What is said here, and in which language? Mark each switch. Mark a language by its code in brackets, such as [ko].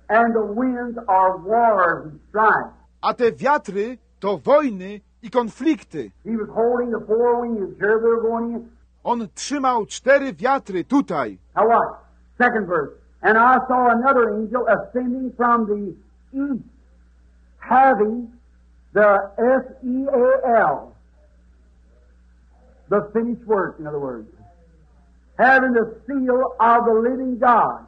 [en] And the winds are wars and strife. [pl] A te wiatry to wojny i konflikty. [en] He was holding the four winds. Sure, they're going in. [pl] On trzymał cztery wiatry tutaj. [en] Now what? Second verse. And I saw another angel ascending from the east, having the S-E-A-L, the finished work, in other words, having the seal of the living God.